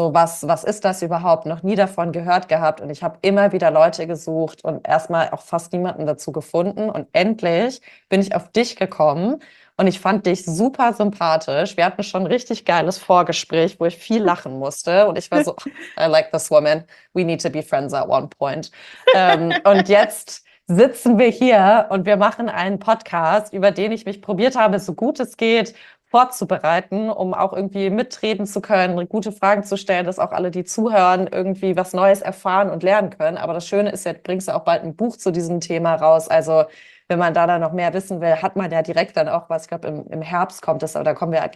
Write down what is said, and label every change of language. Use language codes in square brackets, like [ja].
[de] So, was ist das überhaupt? Noch nie davon gehört gehabt. Und ich habe immer wieder Leute gesucht und erstmal auch fast niemanden dazu gefunden. Und endlich bin ich auf dich gekommen und ich fand dich super sympathisch. Wir hatten schon ein richtig geiles Vorgespräch, wo ich viel lachen musste. Und ich war so, [en] I like this woman. We need to be friends at one point. [de] Und jetzt sitzen wir hier und wir machen einen Podcast, über den ich mich probiert habe, so gut es geht, vorzubereiten, um auch irgendwie mitreden zu können, gute Fragen zu stellen, dass auch alle, die zuhören, irgendwie was Neues erfahren und lernen können. Aber das Schöne ist, jetzt bringst du auch bald ein Buch zu diesem Thema raus. Also wenn man da dann noch mehr wissen will, hat man ja direkt dann auch was. Ich glaube, im Herbst kommt das, aber da kommen wir auch